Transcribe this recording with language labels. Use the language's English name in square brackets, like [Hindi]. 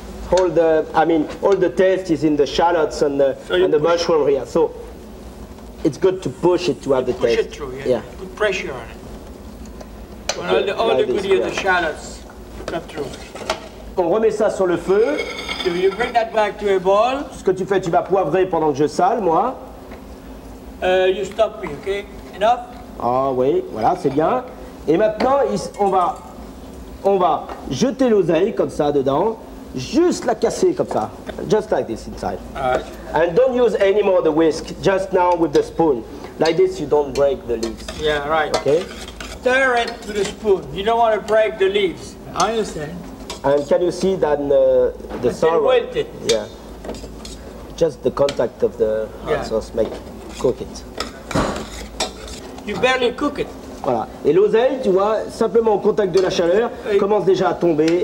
[English] All the taste is in the shallots and the mushroom here. So It's good to push it to have you the taste. Push it through, yeah. Put pressure on it. When all the goodies, yeah. The shallots come through. [French] On remet ça sur le feu. [English] So you bring that back to a boil. [French] Ce que tu fais, tu vas poivrer pendant que je sale, moi. [English] You stop me, okay? Enough? [French] Ah oui, voilà, c'est bien. Et maintenant, on va jeter l'oseille comme ça dedans. [English] Just [French] la casser comme ça. [English] Just like this inside. Alright. And don't use any more the whisk. Just now with the spoon. Like this, you don't break the leaves. Yeah, right. Okay? Stir it to the spoon. You don't want to break the leaves. I understand. And can you see that the sour? It's wilted. Yeah. Just the contact of the hot sauce make cook it. You barely cook it. [French] Voilà. Et l'oseille, tu vois, simplement au contact de la chaleur, commence déjà à tomber.